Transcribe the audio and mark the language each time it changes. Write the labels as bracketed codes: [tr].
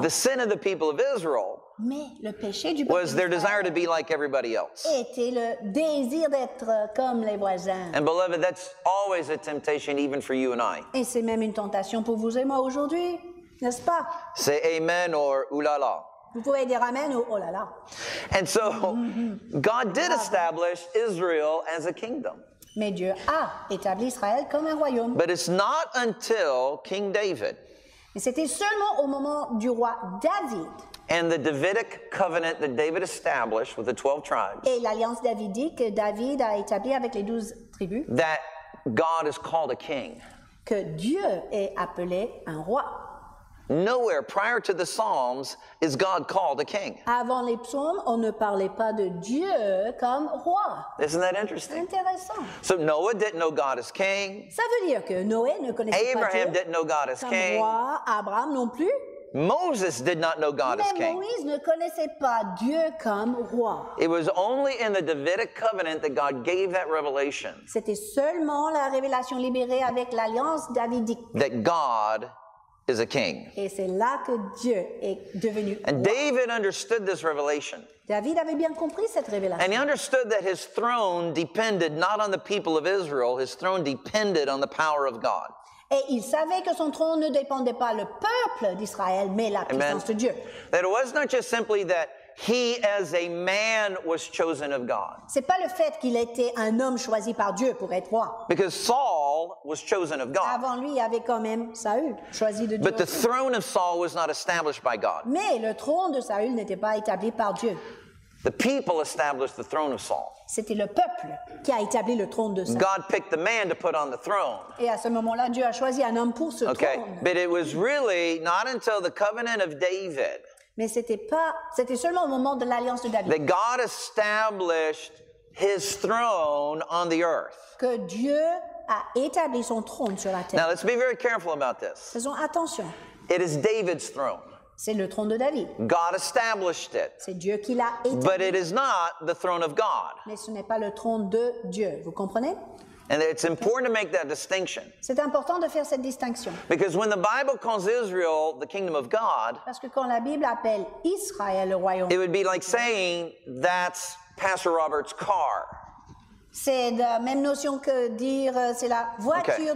[en] The sin of the people of Israel [fr] Mais le péché du peuple [en] was their desire to be like everybody else. [fr] Était le désir d'être comme les voisins. [en] And beloved, that's always a temptation even for you and I. [fr] Et c'est même une tentation pour vous et moi aujourd'hui, n'est-ce pas? [en] C'est amen or oulala. [fr] Vous pouvez dire amen ou oh là là. [en] And so, God did establish Israel as a kingdom. [fr] Mais Dieu a établi Israël comme un royaume. [en] But it's not until King David. [fr] Et c'était seulement au moment du roi David. [en] And the Davidic covenant that David established with the 12 tribes. [fr] Et l'alliance davidique que David a établie avec les 12 tribus. [en] That God is called a king. [fr] Que Dieu est appelé un roi. [en] Nowhere prior to the Psalms is God called a king. [fr] Avant les psaumes, on ne parlait pas de Dieu comme roi. [en] Isn't that interesting? [fr] Intéressant. [en] So Noah didn't know God as king. [fr] Ça veut dire que Noé ne connaissait pas Dieu. [en] Abraham didn't know God as king. [fr] Roi, Abraham non plus. [en] Moses did not know God [fr] Mais [en] as king. [fr] Moïse ne connaissait pas Dieu comme roi. [en] It was only in the Davidic covenant that God gave that revelation. [fr] C'était seulement la révélation libérée avec l'alliance davidique. [en] That God is a king. [fr] Et c'est là que Dieu est devenu roi. [en] And David understood this revelation. [fr] David avait bien compris cette révélation. [en] And he understood that his throne depended not on the people of Israel, his throne depended on the power of God. [fr] Et il savait que son trône ne dépendait pas le peuple d'Israël, mais la puissance [en] Amen. [fr] De Dieu. [en] That it was not just simply that he as a man was chosen of God. [fr] C'est pas le fait qu'il était un homme choisi par Dieu pour être roi. [en] Because Saul was chosen of God. [fr] Avant lui, il y avait quand même Saül, choisi de Dieu. [en] But the throne of Saul was not established by God. [fr] Mais le trône de Saül n'était pas établi par Dieu. [en] The people established the throne of Saul. [fr] C'était le peuple qui a établi le trône de Saul. [en] God picked the man to put on the throne. [fr] Et à ce moment-là, Dieu a choisi un homme pour ce trône. [en] Okay. But it was really not until the covenant of David. [fr] Mais c'était seulement au moment de l'alliance de David. [en] That God established his throne on the earth. [fr] Que Dieu a établi son trône sur la terre. [en] Now let's be very careful about this. [fr] Faisons attention. [en] It is David's throne. [fr] C'est le trône de David. [en] God established it. [fr] C'est Dieu qui l'a établi. [en] But it is not the throne of God. [fr] Mais ce n'est pas le trône de Dieu. Vous comprenez? [en] And it's important to make that distinction. [fr] C'est important de faire cette distinction. [en] Because when the Bible calls Israel the kingdom of God, [fr] parce que quand la Bible appelle Israël le royaume, [en] it would be like saying that's Pastor Robert's car. [fr] C'est la même notion que dire c'est la voiture okay.